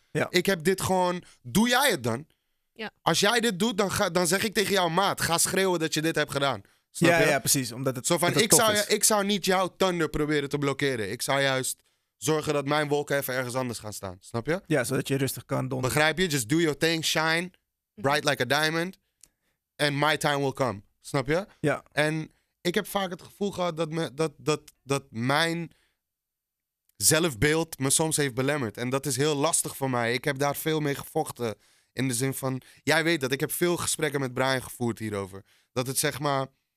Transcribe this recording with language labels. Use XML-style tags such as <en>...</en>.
<nl>Ja. Ik heb dit gewoon, doe jij het dan? Ja. Als jij dit doet, dan zeg ik tegen jou, maat, ga schreeuwen dat je dit hebt gedaan. Snap ja, je? Ja, precies. Omdat het zo van, het ik, zou, is. Ik zou niet jouw thunder proberen te blokkeren. Ik zou juist zorgen dat mijn wolken even ergens anders gaan staan. Snap je? Ja, zodat je rustig kan donderen. Begrijp je?</nl> <en>Just do your thing, shine, bright like a diamond. And my time will come.</en> <nl>Snap je? Ja. En ik heb vaak het gevoel gehad dat mijn zelfbeeld me soms heeft belemmerd. En dat is heel lastig voor mij. Ik heb daar veel mee gevochten. In de zin van, jij weet dat. Ik heb veel gesprekken met Brian gevoerd hierover. Dat het zeg maar...</nl>